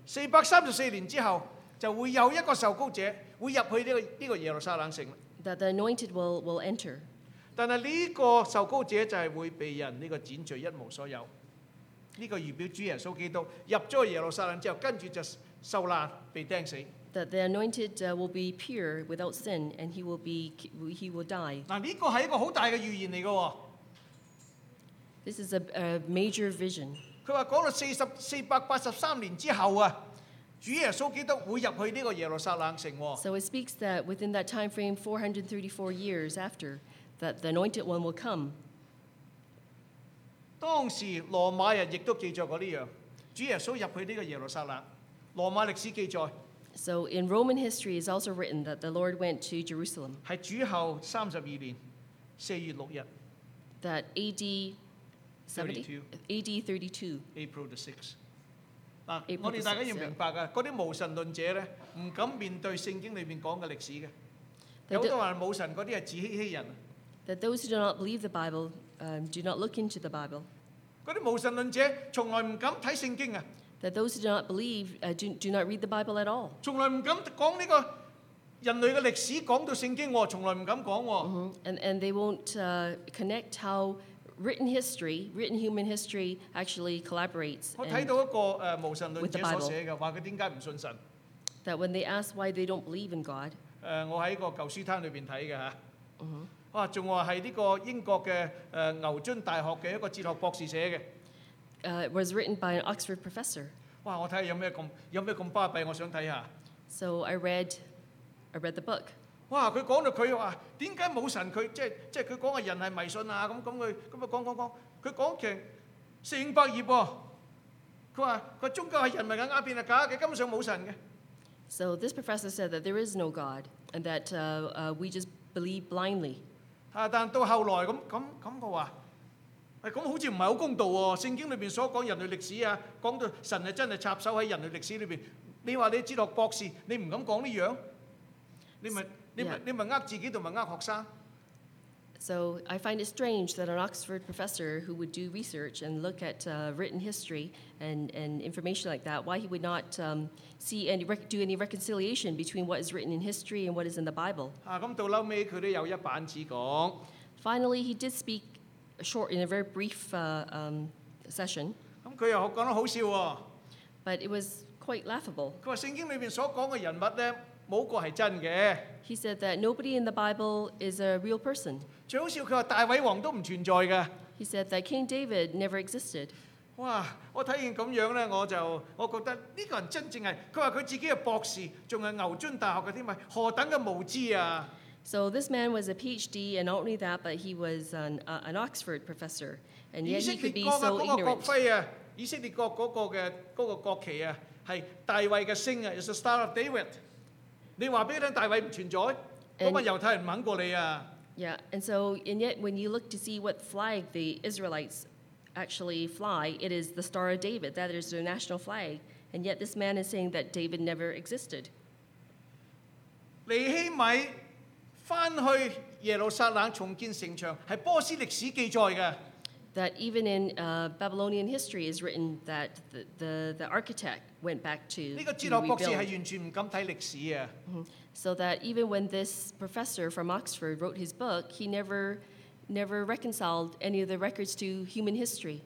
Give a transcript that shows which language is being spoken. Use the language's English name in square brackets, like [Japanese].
[Cantonese] 434年之後就會有一個受高者會入去呢個耶路撒冷城。 [English] That the anointed will enter. [Cantonese] 但係呢個受高者就係會被人呢個剪除一無所有。呢個預表主耶穌基督入咗耶路撒冷之後，跟住就受難被釘死。 [English] That the anointed will be pure without sin, and he will die. [Cantonese] 嗱，呢個係一個好大嘅預言嚟嘅喎。 [English] This is a major vision. [Cantonese] 佢話講到483年之後啊，主耶穌基督會入去呢個耶路撒冷城喎。 [English] So it speaks that within that time frame, 434 years after, that the anointed one will come. [Cantonese] 當時羅馬人亦都記載過呢樣，主耶穌入去呢個耶路撒冷，羅馬歷史記載。 [English] So in Roman history, it's also written that the Lord went to Jerusalem. [Cantonese] 是主后32年，4月6日。 [English] That AD 32. April the 6th. [Cantonese] 我哋大家要明白噶，嗰啲无神论者咧，唔敢面对圣经里边讲嘅历史嘅。有好多话无神嗰啲系自欺欺人。 [English] That those who do not believe the Bible, do not look into the Bible. [Cantonese] 嗰啲无神论者从来唔敢睇圣经啊。 [English] That those who do not believe do not read the Bible at all. [Cantonese] 從來唔敢講呢個人類嘅歷史講到聖經喎，從來唔敢講喎。 [English] And they won't connect how written human history actually collaborates. [Cantonese] 我睇到一個無神論者所寫嘅，話佢點解唔信神 [English] ？That when they ask why they don't believe in God. [Cantonese] 我喺個舊書攤裏邊睇嘅嚇。哇，仲話係呢個英國嘅牛津大學嘅一個哲學博士寫嘅。 [English] Was written by an Oxford professor. [Cantonese] 哇！我睇下有咩咁巴閉，我想睇下。 [English] So I read the book. [Cantonese] 哇！佢講到佢話點解冇神？佢即係佢講話人係迷信啊！咁佢講，佢講成400頁喎。佢話宗教係人為嘅鴉片係假嘅，根本上冇神嘅。 [English] So this professor said that there is no God and that we just believe blindly. [Cantonese] 啊！但到後來咁佢話。咁好似唔係好公道喎、哦！聖經裏邊所講人類歷史啊，講到神係真係插手喺人類歷史裏邊。你話你哲學博士，你唔敢講呢樣，你咪呃自己同埋呃學生。 [English] So I find it strange that an Oxford professor who would do research and look at written history and information like that, why he would not do any reconciliation between what is written in history and what is in the Bible. [Cantonese] 啊，咁到後尾佢都有一板子講。 [English] Finally, he did speak. In a very brief session. [Cantonese] 咁佢又講得好笑喎。 [English] But it was quite laughable. [Cantonese] 佢話聖經裏邊所講嘅人物咧，冇個係真嘅。 [English] He said that nobody in the Bible is a real person. [Cantonese] 最好笑佢話大衛王都唔存在嘅。 [English] He said that King David never existed. [Cantonese] 哇！我睇見咁樣咧，我覺得呢個人真正係佢話佢自己係博士，仲係牛津大學嘅添啊！何等嘅無知啊！ [English] So this man was a PhD, and not only that, but he was an Oxford professor, and yet he could be so ignorant. [Cantonese] 以色列國嗰個嘅嗰個國旗啊，係大衛嘅星啊 ， [English] It's the Star of David. [Cantonese] 你話俾佢聽，大衛唔存在，咁啊猶太人唔肯過你啊。 [English] Yeah, and so and yet when you look to see what flag the Israelites actually fly, it is the Star of David. That is their national flag, and yet this man is saying that David never existed. [Cantonese] 尼希米翻去耶路撒冷重建城墙，系波斯历史记载嘅。 [English] That even in Babylonian history is written that the architect went back to rebuild. [Cantonese] 呢个哲学博士系完全唔敢睇历史啊。 [English] So that even when this professor from Oxford wrote his book, he never reconciled any of the records to human history.